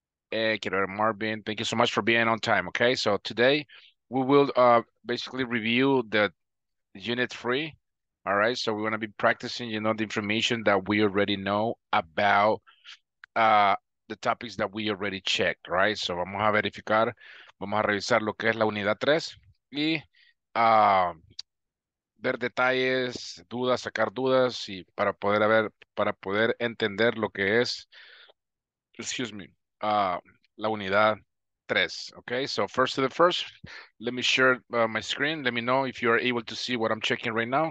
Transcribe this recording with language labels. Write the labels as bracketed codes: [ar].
[en] Hey, Marvin, thank you so much for being on time. Okay, so today we will basically review the unit three. All right, so we're going to be practicing, you know, the information that we already know about the topics that we already checked, right? [es] So vamos a verificar, vamos a revisar lo que es la unidad tres y ver detalles, dudas, sacar dudas y para poder ver, para poder entender lo que es, [en] excuse me, [es] la unidad tres. [en] Okay, so first to the first, let me share my screen. Let me know if you are able to see what I'm checking right now.